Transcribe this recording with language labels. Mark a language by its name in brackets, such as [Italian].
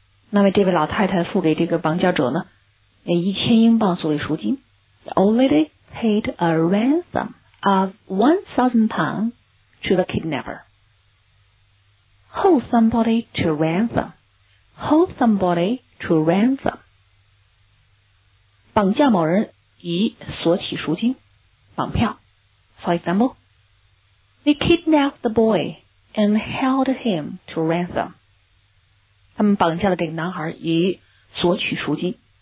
[Chinese] 那么这位老太太付给这个绑架者呢1,000英镑作为赎金。 [English] The old lady paid a ransom of 1,000 pounds to the kidnapper. Hold somebody to ransom. Hold somebody to ransom. [Chinese] 绑架某人以索取赎金绑票。 [English] For example,They kidnapped the boy and held him to ransom. [Chinese] 他们绑架了这个男孩以索取赎金。